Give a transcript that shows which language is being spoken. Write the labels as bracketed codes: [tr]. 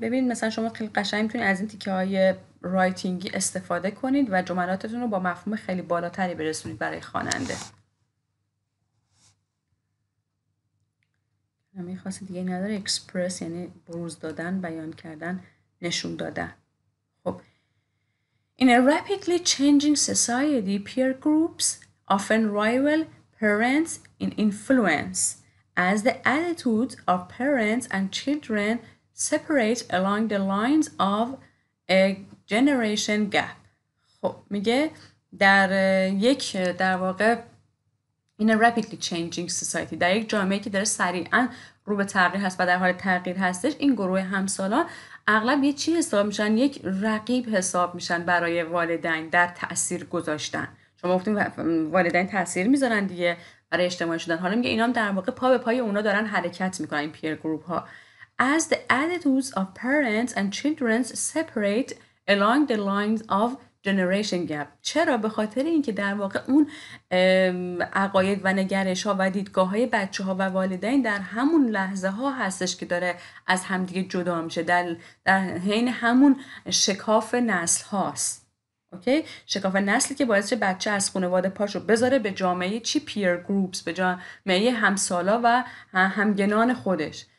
[fa] ببین مثلا شما خیلی قشنگ میتونید از این تیکه های رایتینگی استفاده کنید و جملاتتون رو با مفهوم خیلی بالاتری برسونید برای خواننده. همین خاصی دیگه نداره. اکسپرس یعنی بروز دادن، بیان کردن، نشون دادن. خب [en] In a rapidly changing society, peer groups often rival parents in influence, as the attitudes of parents and children separate along the lines of a generation gap. [fa] خب میگه در یک در واقع [en] in a rapidly changing society [fa] در یک جامعه که داره سریعا رو به تغییر هست و در حال تغییر هستش، این گروه همسالان اغلب یه چی حساب میشن؟ یک رقیب حساب میشن برای والدین در تأثیر گذاشتن. شما گفتیم والدین تأثیر میذارن دیگه برای اجتماع شدن. حالا میگه اینا هم در واقع پا به پای اونا دارن حرکت میکنن، این پیر گروپ ها. [en] As the attitudes of parents and children separate along the lines of generation gap. [fa] چرا؟ به خاطر اینکه در واقع اون عقاید و نگرش ها و دیدگاه های بچه ها و والدین در همون لحظه ها هستش که داره از همدیگه جدا میشه، در حین همون شکاف نسل هاست. اوکی؟ شکاف نسلی که باعث بچه از خانواده پاشو بذاره به جامعه چی؟ پیر گروپس، به جامعه همسالا و همگنان خودش.